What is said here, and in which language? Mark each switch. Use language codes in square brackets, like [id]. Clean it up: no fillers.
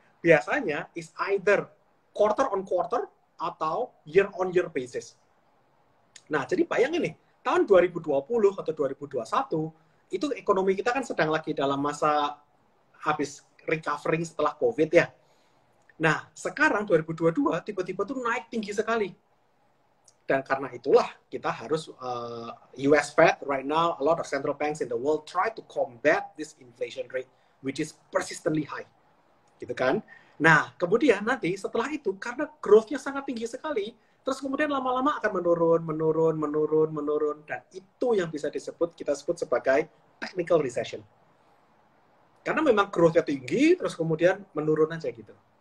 [en] Biasanya is either quarter on quarter atau year on year basis. [id] Nah, jadi bayangin nih, tahun 2020 atau 2021 itu ekonomi kita kan sedang lagi dalam masa habis recovering setelah COVID ya. Nah, sekarang 2022 tiba-tiba tuh naik tinggi sekali. Dan karena itulah kita harus [en] US Fed right now, a lot of central banks in the world try to combat this inflation rate which is persistently high. [id] Gitu kan? Nah, kemudian nanti setelah itu karena growth-nya sangat tinggi sekali, terus kemudian lama-lama akan menurun, menurun, menurun, menurun, dan itu yang bisa disebut, kita sebut sebagai technical recession. Karena memang growth-nya tinggi, terus kemudian menurun aja gitu.